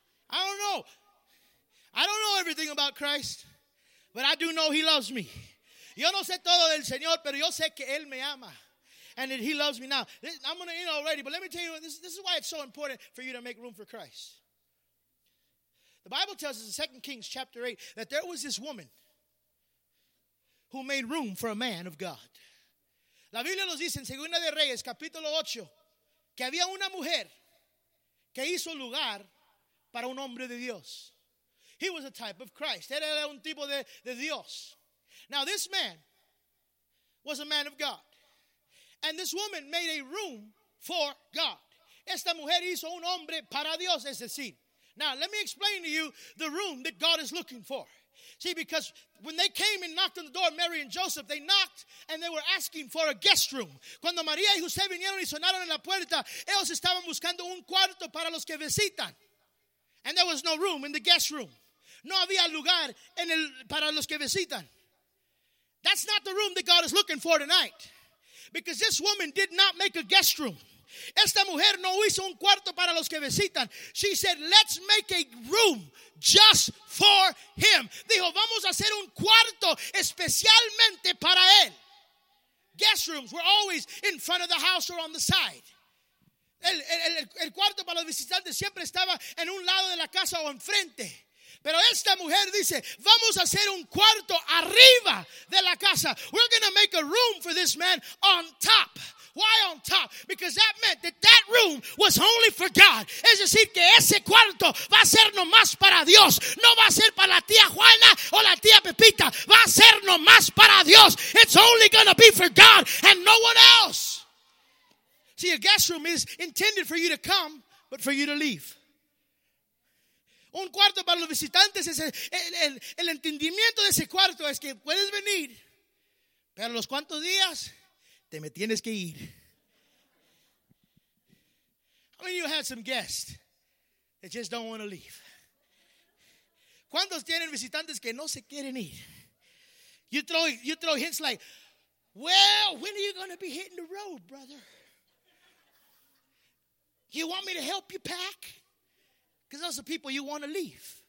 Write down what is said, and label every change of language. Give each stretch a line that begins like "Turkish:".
English: I don't know. I don't know everything about Christ, but I do know he loves me.
Spanish: Yo no sé todo del Señor, pero yo sé que él me ama.
English: And that he loves me. Now, I'm going to end already, but let me tell you, this is why it's so important for you to make room for Christ. The Bible tells us in 2 Kings chapter 8 that there was this woman who made room for a man of God.
Spanish: La Biblia nos dice en Segunda de Reyes, capítulo 8, que había una mujer que hizo lugar para un hombre de Dios.
English: He was a type of Christ.
Spanish: Era un tipo de Dios.
English: Now this man was a man of God. And this woman made a room for God.
Spanish: Esta mujer hizo un hombre para Dios, es decir.
English: Now, let me explain to you the room that God is looking for. See, because when they came and knocked on the door, Mary and Joseph, they knocked and they were asking for a guest room.
Spanish: Cuando María y José vinieron y sonaron en la puerta, ellos estaban buscando un cuarto para los que visitan.
English: And there was no room in the guest room.
Spanish: No había lugar en el, para los que visitan.
English: That's not the room that God is looking for tonight. Because this woman did not make a guest room.
Spanish: Esta mujer no hizo un cuarto para los que visitan.
English: She said, let's make a room just for him.
Spanish: Dijo, vamos a hacer un cuarto especialmente para él.
English: Guest rooms were always in front of the house or on the side.
Spanish: El cuarto para los visitantes siempre estaba en un lado de la casa o enfrente. Pero esta mujer dice, vamos a hacer un cuarto arriba de la casa.
English: We're going to make a room for this man on top. Why on top? Because that meant that that room was only for God.
Spanish: Es decir, que ese cuarto va a ser nomás para Dios. No va a ser para la tía Juana o la tía Pepita. Va a ser nomás para Dios.
English: It's only going to be for God and no one else. See, a guest room is intended for you to come, but for you to leave.
Spanish: Un cuarto para los visitantes, el entendimiento de ese cuarto es que puedes venir, pero los cuantos días... Te me tienes que ir.
English: How many of you had some guests that just don't want to leave?
Spanish: ¿Cuántos tienen visitantes que no se quieren ir?
English: You throw hints like, well, when are you going to be hitting the road, brother? You want me to help you pack? Because those are people you want to leave.